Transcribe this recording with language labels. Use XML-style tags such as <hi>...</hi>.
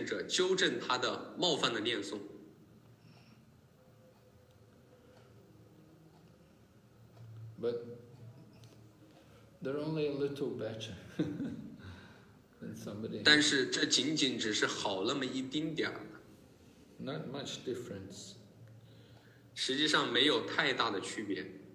<zh>奉献者的仁慈能够帮助一个奉献者纠正他的冒犯的念诵。</zh> <en>But they're only a little better than somebody else.</en> <zh>但是这仅仅只是好那么一丁点儿。</zh> <en>Not much difference.</en> <zh>实际上没有太大的区别。</zh>